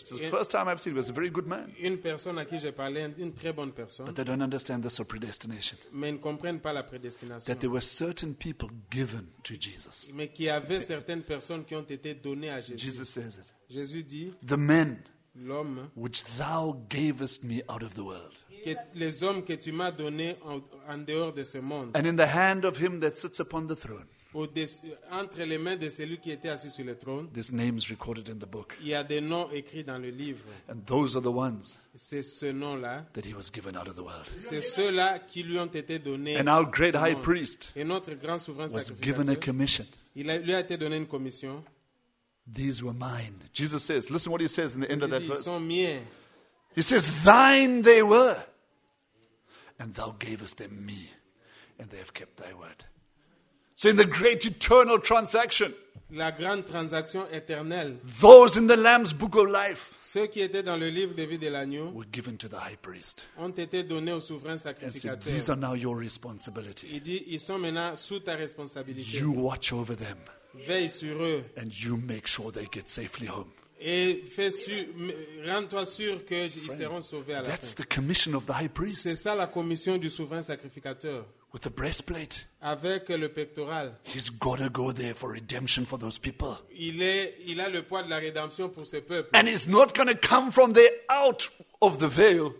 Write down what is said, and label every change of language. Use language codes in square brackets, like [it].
[en] It's the first time I've seen. He was a very good man. But they don't understand this or predestination. That there were certain people given to Jesus. Jesus says it. The men which thou gavest me out of the world. [fr] Que les hommes que tu m'as donné en dehors de ce monde. [en] And in the hand of him that sits upon the throne. [fr] Entre les mains de celui qui était assis sur le trône. [en] This name is recorded in the book. [fr] Il y a des noms écrits dans le livre. [en] And those are the ones. [fr] C'est ce nom-là. [en] That he was given out of the world. [fr] C'est ceux-là qui lui ont été donnés. [en] And our great high priest. [fr] Et notre grand souverain sacrificateur. [en] Was given a commission. [fr] Il lui a été donné une commission. [en] These were mine. Jesus says, listen what he says in the end of that verse. [fr] Ils sont miens. [en] He says, thine they were. And thou gavest them me, and they have kept thy word. So in the great eternal transaction, [fr] la grande transaction éternelle, [en] those in the Lamb's Book of Life, [fr] ceux qui étaient dans le livre de vie de l'agneau, [en] were given to the high priest, [fr] ont été donnés au souverain sacrificateur. [en] And said, these are now your responsibility. [fr] Il dit, ils sont maintenant sous ta responsabilité. [en] You watch over them. [fr] Veille sur eux. [en] And you make sure they get safely home. [fr] Et fais sûr, rends-toi sûr qu'ils seront sauvés à la [en] that's The commission of the high priest. [fr] C'est ça la commission du souverain sacrificateur. [en] With the breastplate. [fr] Avec le pectoral. [en] He's got to go there for redemption for those people. [fr] Il a le poids de la rédemption pour ce peuple. [en] And he's not going to come from there out of the veil.